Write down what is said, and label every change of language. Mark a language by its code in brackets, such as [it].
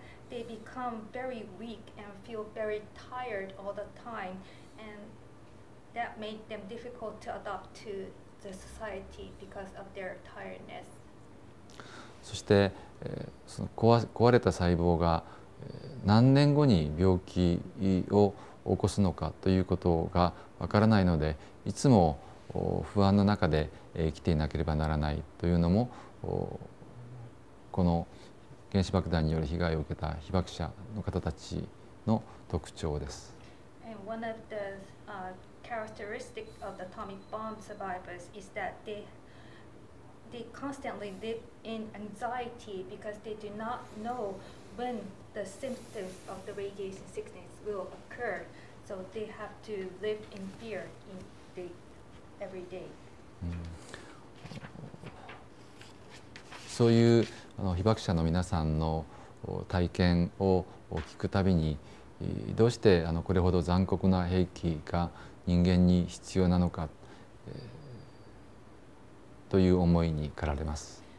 [en] They become very weak and feel very tired all the time, and that made them difficult to adapt to the society because of their tiredness. [ja] そして、その壊れた細胞が何年後に病気を起こすのかということがわからないので、いつも不安の中で生きていなければならないというのも、この原子爆弾による被害を受けた被爆者の方たちの特徴です。 [en] And one of the characteristics of the atomic bomb survivors is that they constantly live in anxiety because they do not know when the symptoms of the radiation sickness will occur. So they have to live in fear in the every day. [ja] そういう被爆者の皆さんの体験を聞くたびに、どうしてこれほど残酷な兵器が人間に必要なのかという思いに駆られます。